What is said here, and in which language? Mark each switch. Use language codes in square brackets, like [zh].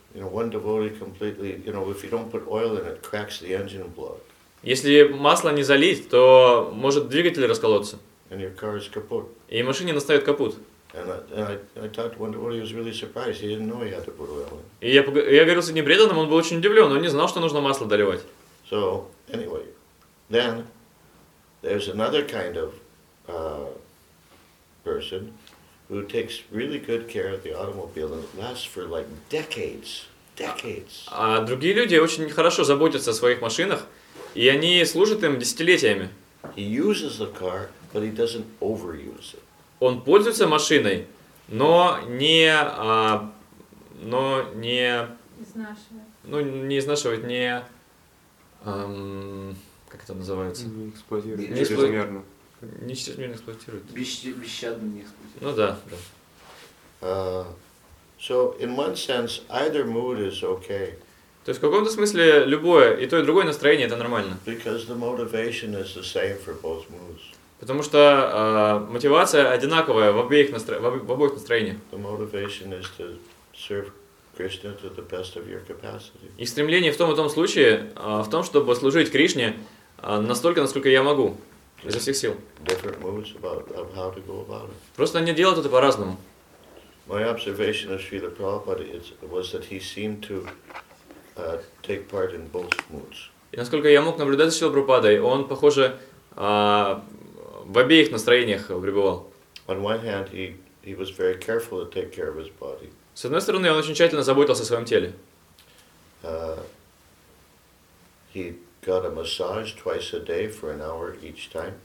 [en] You know, one devotee completely, you know, if you don't put oil in it, cracks the engine block. [ru] Если масло не залить, то может двигатель расколоться. [en] And your car is kaput. [ru] И машине настает капут. [en] And I talked to one devotee, he was really surprised. He didn't know he had to put oil in. [ru] И я говорил с одним преданным, он был очень удивлен, он не знал, что нужно масло доливать. [en] So anyway, then there's another kind of person who takes really good care of the automobile and it lasts for like decades. [ru] А другие люди очень хорошо заботятся о своих машинах, и они служат им десятилетиями. [en] He uses the car, but he doesn't overuse it. [ru] Он пользуется машиной, но не как это называется? Не эксплуатирует. Чрезмерно. Не чрезмерно эксплуатирует. Бесщадно не эксплуатирует. Ну да, да. [en] So in one sense, either mood is okay. [ru] То есть в каком-то смысле любое и то и другое настроение это нормально. [en] Because the motivation is the same for both moods. [ru] Потому что мотивация одинаковая в обоих настроениях. [en] The motivation is to serve Krishna to the best of your capacity. [ru] И стремление в том и том случае в том, чтобы служить Кришне настолько, насколько я могу. Изо всех сил. [en] Different moods of how to go about it. [ru] Просто они делают это по-разному. [en] My observation of Srila Prabhupada was that he seemed to take part in both moods. [ru] И насколько я мог наблюдать за Шрилой Прабхупадой, он, похоже, в обеих настроениях пребывал. [en] On one hand, he was very careful to take care of his body. [ru] С одной стороны, он очень тщательно заботился о своем теле. [en] He got a massage twice a day for an hour each time.